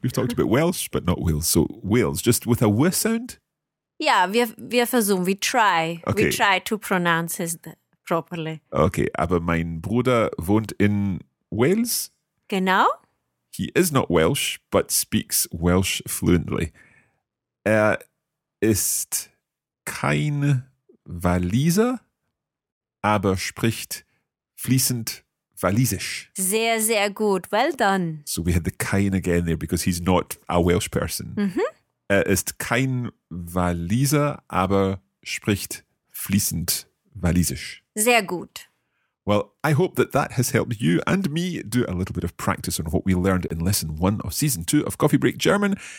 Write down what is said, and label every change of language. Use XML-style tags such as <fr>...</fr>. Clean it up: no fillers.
<en>We've talked about Welsh, but not Wales. So Wales, just with a W sound? Yeah,</en> <de>wir versuchen,</de> <en>we try. Okay. We try to pronounce it properly.</en> <de>Okay, aber mein Bruder wohnt in Wales? Genau.</de> <en>He is not Welsh, but speaks Welsh fluently.</en> <de>Er ist kein Waliser, aber spricht fließend Walisisch. Sehr, sehr gut.</de> <en>Well done. So we had the kein again there because he's not a Welsh person. Mm-hmm.</en> <de>Er ist kein Waliser, aber spricht fließend Walisisch. Sehr gut.</de> <en>Well, I hope that that has helped you and me do a little bit of practice on what we learned in lesson one of season two of Coffee Break German.</en>